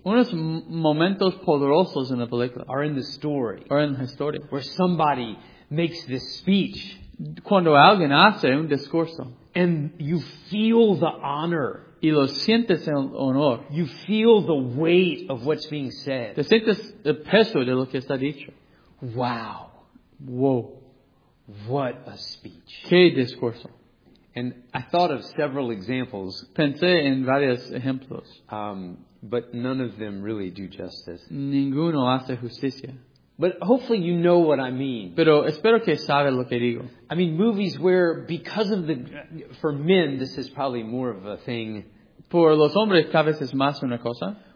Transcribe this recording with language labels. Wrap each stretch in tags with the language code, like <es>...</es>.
<es>Unos momentos poderosos en la película.</es> <en>Are in the story. Or in</en> <es>la historia.</es> <en>Where somebody makes this speech.</en> <es>Cuando alguien hace un discurso.</es> <en>And you feel the honor.</en> <es>Y lo sientes el honor.</es> <en>You feel the weight of what's being said.</en> <es>Te sientes el peso de lo que está dicho.</es> <en>Wow. Whoa. What a speech.</en> <es>Qué discurso.</es> <en>And I thought of several examples.</en> <es>Pensé en varios ejemplos.</es> <en>But none of them really do justice.</en> <es>Ninguno hace justicia.</es> <en>But hopefully you know what I mean.</en> <es>Pero espero que sabe lo que digo.</es> <en>I mean, movies where, because of the, for men, this is probably more of a thing.</en> <es>Por los hombres, tal vez es más una cosa.</es>